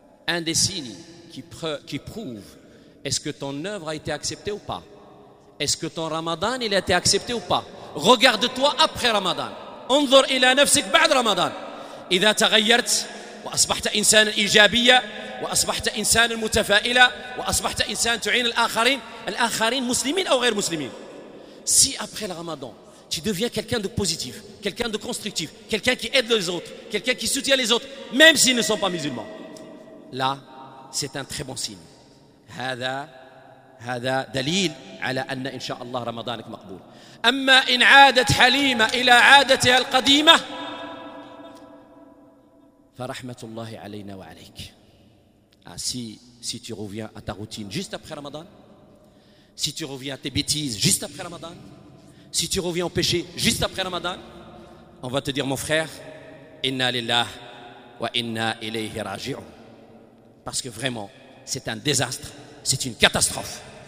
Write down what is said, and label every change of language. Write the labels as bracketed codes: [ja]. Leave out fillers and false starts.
[fr] un des signes qui prouve est-ce que ton œuvre a été acceptée ou pas, est-ce que ton Ramadan il a été accepté ou pas, regarde-toi après Ramadan. [ar] انظر الى نفسك بعد رمضان اذا تغيرت واصبحت انسانا ايجابيا واصبحت انسانا متفائلا واصبحت انسان تعين الاخرين الاخرين مسلمين او غير مسلمين. [fr] Si après le Ramadan tu deviens quelqu'un de positif, quelqu'un de constructif, quelqu'un qui aide les autres, quelqu'un qui soutient les autres même s'ils ne sont pas musulmans, là c'est un très bon signe. [ar] هذا دليل على ان ان شاء الله رمضانك مقبول. اما ان عادت حليمه الى عادتها القديمه فرحمه الله علينا وعليك. [fr] Si tu reviens à ta routine juste après Ramadan, si tu reviens à tes bêtises juste après Ramadan, si tu reviens au péché juste après Ramadan, on va te dire mon frère, [ar] inna lillah wa inna ilayhi raji'un. [fr] Parce que vraiment, c'est un désastre, c'est une catastrophe.